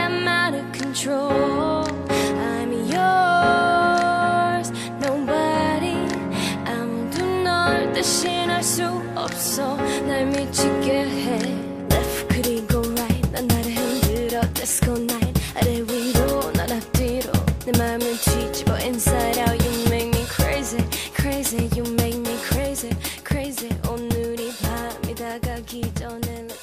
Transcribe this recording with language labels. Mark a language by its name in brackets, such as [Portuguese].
[English] I'm out of control. I'm yours. Nobody [Korean] 아무도 널 대신할 수 없어. 날 미치게 해. Left 그리고 right 난 나를 흔들어. [English] Disco night [Korean] 아래 위로 날 앞뒤로 내 맘을 뒤집어. [English] Inside out you make me crazy. Crazy you make me crazy. [Korean] Crazy 오늘이 밤이 다가기 전에.